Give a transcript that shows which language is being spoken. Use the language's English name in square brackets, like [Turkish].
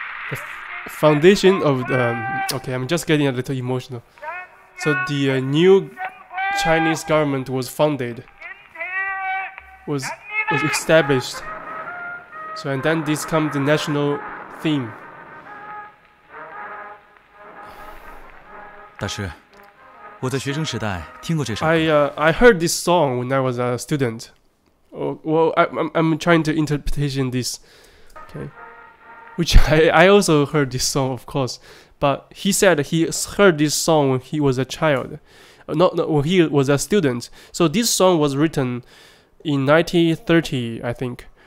[English] The foundation of the okay, I'm just getting a little emotional. So the new Chinese government was established. So, and then this comes the national theme. [Chinese] 大师，我在学生时代听过这首歌。 [English] I heard this song when I was a student. I'm trying to interpretation this. Okay. Which I also heard this song, of course. But he said he heard this song when he was a child. Not when he was a student. So this song was written in 1930, I think.